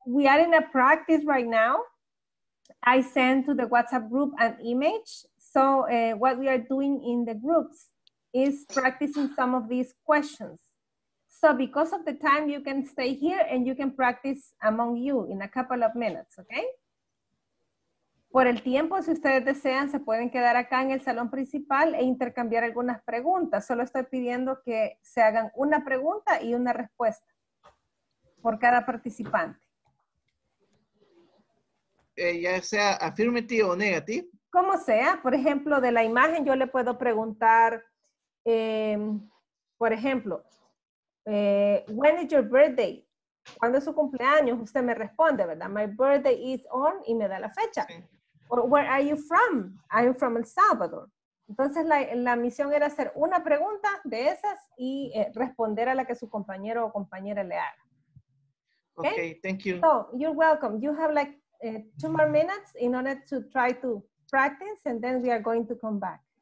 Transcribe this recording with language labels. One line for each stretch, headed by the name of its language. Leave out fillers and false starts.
English: We are in a practice right now. I sent to the WhatsApp group an image. So what we are doing in the groups is practicing some of these questions. So because of the time, you can stay here and you can practice among you in a couple of minutes, okay?
Spanish: Por el tiempo, si ustedes desean, se pueden quedar acá en el salón principal e intercambiar algunas preguntas. Solo estoy pidiendo que se hagan una pregunta y una respuesta por cada participante. Ya sea affirmative o negative. Como sea, por ejemplo, de la imagen yo le puedo preguntar, por ejemplo,
English: when is your birthday?
Spanish: ¿Cuándo es su cumpleaños? Usted me responde, ¿verdad?
English: My birthday is on
Spanish: y me da la fecha. Sí.
English: Or where are you from? I'm from El Salvador.
Spanish: Entonces la misión era hacer una pregunta de esas y responder a la que su compañero o compañera le haga.
English: Okay, thank you. So, you're welcome. You have like two more minutes in order to try to practice and then we are going to come back.